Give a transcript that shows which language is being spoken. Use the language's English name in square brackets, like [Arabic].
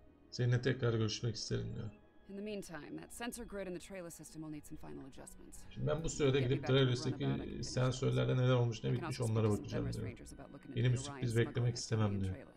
[Turkish] Seninle tekrar görüşmek isterim diyor. [English] In the meantime, that sensor grid in the trailer system will need some final adjustments. [Turkish] Şimdi ben bu sürede gidip trailer'daki sensörlerde neler olmuş, ne bitmiş onlara bakacağım diyor. Yeni bir sürpriz beklemek istemem diyor.